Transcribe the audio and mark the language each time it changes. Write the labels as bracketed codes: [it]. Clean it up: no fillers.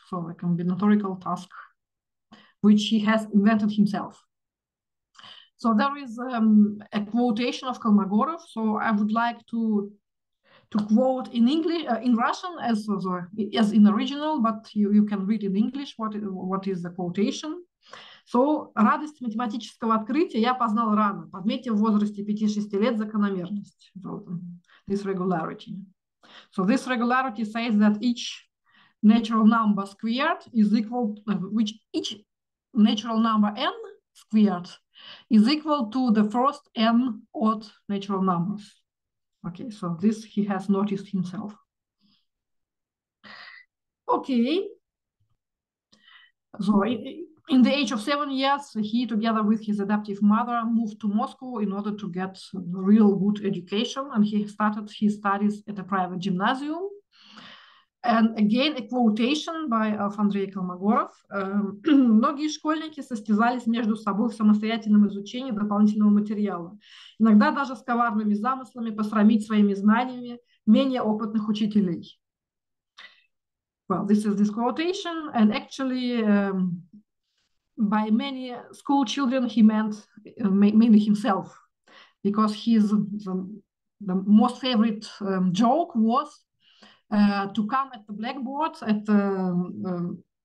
[en] So a combinatorial task, which he has invented himself. So there is a quotation of Kolmogorov. So I would like to quote in English, in Russian, as in original, but you can read in English what is the quotation. So, [ru] радость математического открытия я познал рано, подметив в возрасте 5-6 лет закономерность. [en] So, this regularity. So this regularity says that each natural number squared is equal, which each natural number n squared is equal to the first n odd natural numbers. Okay, so this he has noticed himself. Okay. So in the age of 7 years, he, together with his adoptive mother, moved to Moscow in order to get a real good education. And he started his studies at a private gymnasium. And again, a quotation by Андрей Колмогоров. [ru] Многие школьники состязались между собой в самостоятельном изучении дополнительного материала. Иногда даже с коварными замыслами посрамить своими знаниями менее опытных учителей. [en] Well, this is this quotation. And actually, by many school children, he meant mainly himself, because his the most favorite joke was to come at the blackboard at the